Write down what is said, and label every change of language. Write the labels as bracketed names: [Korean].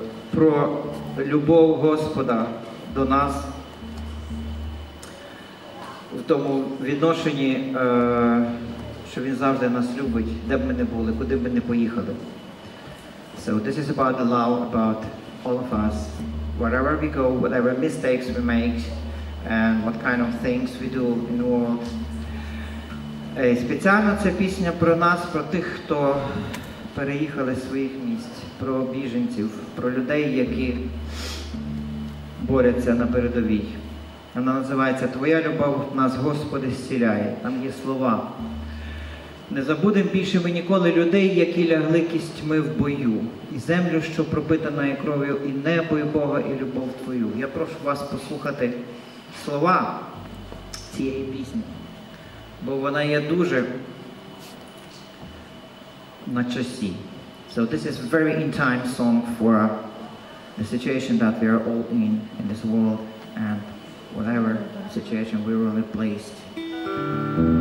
[Ukrainian] Про любов Господа до нас в тому відношенні, що Він завжди нас любить, де б ми не були, куди б ми не поїхали. [English] So this is about the love about all of us. Wherever we go, whatever mistakes we make, and what kind of things we do in the world. [Ukrainian] Спеціально ця пісня про нас, про тих, хто переїхали з своїх місць, про біженців, про людей, які борються на передовій. Вона називається «Твоя любов нас, Господи, зціляє». Там є слова. Не забудемо більше ми ніколи людей, які лягли кістьми в бою, і землю, що пропитаною кров'ю, і небо, і Бога, і любов твою. Я прошу вас послухати слова цієї пісні, бо вона є дуже на часі. [English] So this is very in time song for the situation that we are all in this world and whatever situation we were placed.